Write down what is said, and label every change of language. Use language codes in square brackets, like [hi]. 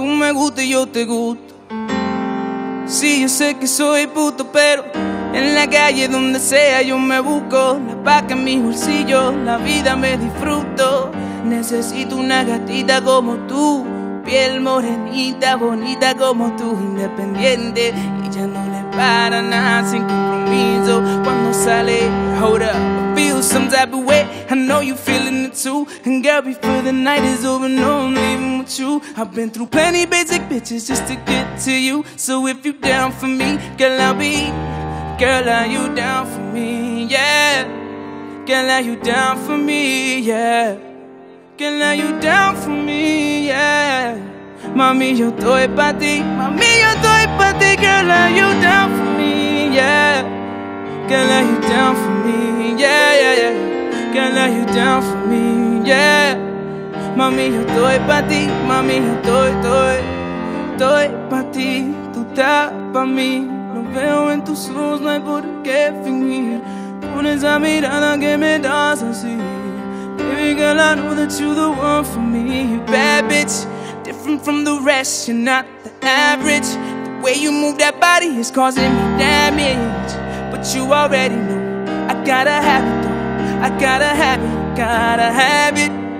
[es] Me gusta y yo te gusto. Sí, yo sé que soy puto, pero en la calle donde sea yo me busco la paca en mi bolsillo, la vida me disfruto. Necesito una gatita como tú, piel morenita, bonita como tú, independiente. Ella no le para nada, sin compromiso. Cuando sale, [en] hold up, I feel some type of way. I know you feeling it too. And girl, before the night is over, no, I'm leaving with you. I've been through plenty basic bitches just to get to you. So if you down for me, girl, I'll be. Girl, are you down for me, yeah? Girl, are you down for me, yeah? Girl, are you down for me, yeah? [es] Mami, yo estoy pa' ti. Mami, yo estoy pa' ti. [en] Girl, are you down for me, yeah? Girl, are you down for me, yeah, yeah, yeah. Girl, are you down for me, yeah? [es] Mami, yo estoy pa' ti. Mami, yo estoy, estoy, estoy pa' ti. Tú estás pa' mí. Lo veo en tus ojos, no hay por qué fingir. Con esa mirada que me das así. [en] Baby girl, I know that you're the one for me. Bad bitch, different from the rest. You're not the average. The way you move that body is causing me damage. But you already know I gotta have it though. I gotta have it, gotta have it.